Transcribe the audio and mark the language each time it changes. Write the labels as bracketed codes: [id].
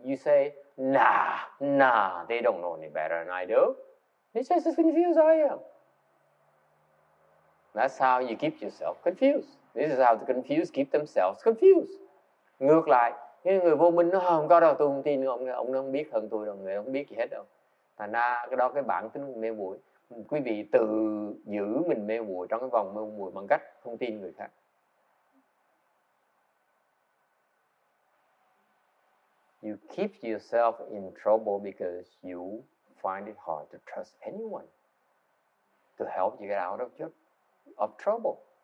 [en] You say, nah, they don't know any better than I do. It's just as confused as I am. That's how you keep yourself confused. This is how the confused keep themselves confused. [vi] Ngược lại, những người vô minh nó không có đâu, tôi không tin ông không biết hơn tôi đâu, người không biết gì hết đâu. Thành ra cái đó cái bản tính mê muội. Quý vị tự giữ mình mê muội trong cái vòng mê muội bằng cách không tin người khác. [en] You keep yourself in trouble because you find it hard to trust anyone to help you get out of trouble.